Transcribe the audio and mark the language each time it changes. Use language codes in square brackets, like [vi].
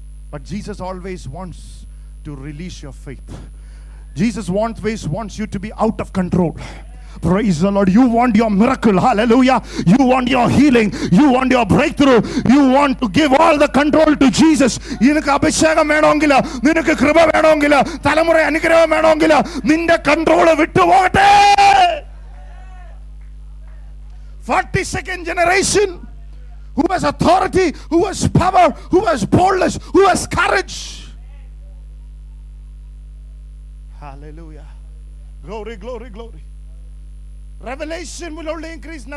[en] But Jesus always wants to release your faith. Jesus wants you to be out of control. Praise the Lord. You want your miracle. Hallelujah. You want your healing. You want your breakthrough. You want to give all the control to Jesus. [ml] നിനക്ക് അഭിഷേകം വേണമെങ്കിൽ, നിനക്ക് കൃപ വേണമെങ്കിൽ, തലമുറ അനുഗ്രഹം വേണമെങ്കിൽ, നിന്റെ control വിട്ടുപോകട്ടെ. [en] 42nd generation, who has authority, who has power, who has boldness, who has courage. Hallelujah. Glory, glory, glory. Revelation will only increase.